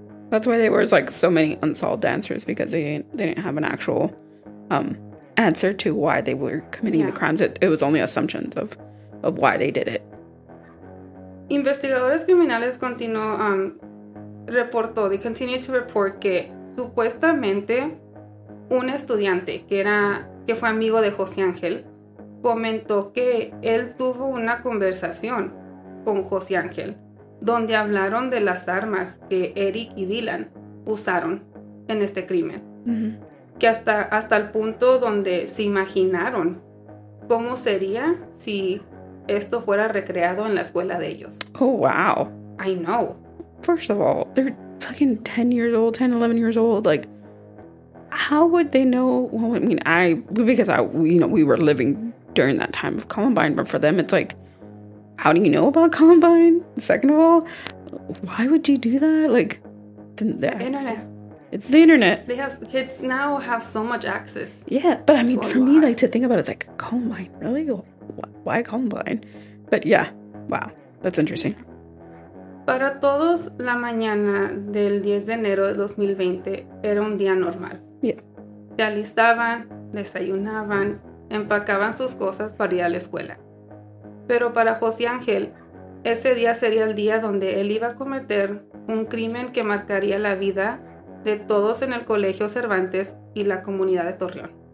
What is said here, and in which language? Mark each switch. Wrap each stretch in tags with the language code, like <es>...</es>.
<en>That's why there was like so many unsolved answers because they didn't have an actual answer to why they were committing the crimes. It was only assumptions of why they did it.</en> <es>Investigadores criminales continuó reportó,</es> <en>they continued to report</en> <es>que supuestamente un estudiante que fue amigo de José Ángel comentó que él tuvo una conversación con José Ángel donde hablaron de las armas que Eric y Dylan usaron en este crimen. Uh-huh. Que hasta el punto donde se imaginaron cómo sería si esto fuera recreado en la escuela de ellos.</es> <en>Oh, wow. I know. First of all, they're fucking 10 years old, 10, 11 years old. Like, how would they know? Well, I mean, we were living during that time of Columbine, but for them, it's like, how do you know about Columbine? Second of all, why would you do that? Like, the internet. It's the internet. They have kids now have so much access. Yeah, but I mean, for me, like, to think about it, it's like, Columbine, really? Why Columbine? But yeah, wow, that's interesting.</en> <es>Para todos, la mañana del 10 de enero de 2020 era un día normal.</es> <en>Yeah.</en> <es>Se alistaban, desayunaban, empacaban sus cosas para ir a la escuela. Pero para José Ángel, ese día sería el día donde él iba a cometer un crimen que marcaría la vida de todos en el Colegio Cervantes y la comunidad de Torreón.</es>